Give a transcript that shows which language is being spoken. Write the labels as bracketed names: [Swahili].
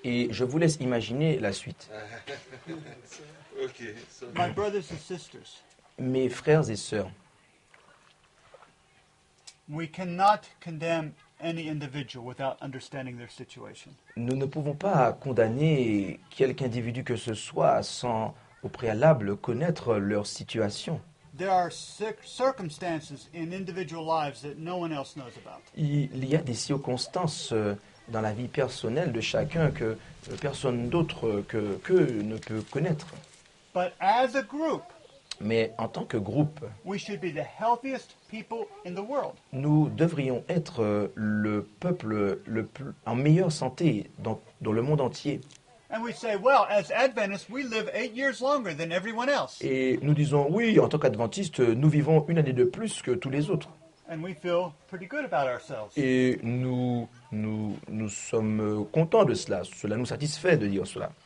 [French] Et je vous laisse imaginer la suite. [English] Okay, so my brothers and sisters, [French] mes frères et sœurs, [English] we cannot condemn any individual without understanding their situation. [French] Nous ne pouvons pas condamner quelque individu que ce soit sans au préalable connaître leur situation. [English] There are circumstances in individual lives that no one else knows about. [French] Il y a des circonstances dans la vie personnelle de chacun que personne d'autre qu'eux ne peut connaître. [English] But as a group, [French] mais en tant que groupe, [English] we should be the healthiest people in the world. [French] Nous devrions être le peuple en meilleure santé dans le monde entier. [English] And we say, well, as Adventists, we live 8 years longer than everyone else. [French] Et nous disons, oui, en tant qu'adventiste, nous vivons une année de plus que tous les autres. [English] And we feel pretty good about ourselves. [French] Et nous sommes contents de cela. Cela nous satisfait de dire cela.